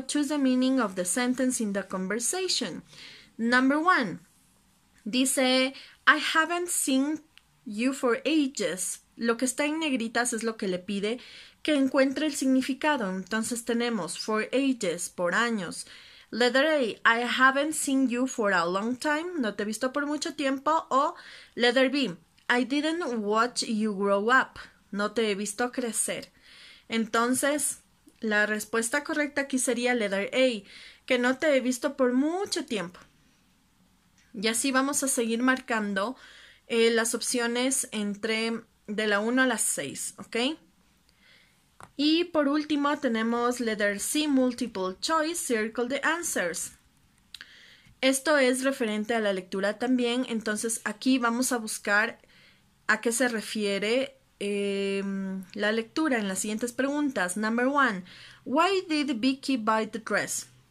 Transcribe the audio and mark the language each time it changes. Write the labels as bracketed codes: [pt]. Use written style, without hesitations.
[en] Choose the meaning of the sentence in the conversation. Number one, dice, I haven't seen you for ages. [es] Lo que está en negritas es lo que le pide que encuentre el significado. Entonces tenemos for ages, por años. [en] Letter A, I haven't seen you for a long time. [es] No te he visto por mucho tiempo. [en] O letter B, I didn't watch you grow up. [es] No te he visto crecer. Entonces, la respuesta correcta aquí sería letter A, que no te he visto por mucho tiempo. Y así vamos a seguir marcando las opciones entre de la 1 a las 6, ¿ok? Y por último tenemos [en] letter C, multiple choice, circle the answers. [es] Esto es referente a la lectura también, entonces aquí vamos a buscar a qué se refiere la lectura en las siguientes preguntas. [en] Number one, why did Vicky buy the dress?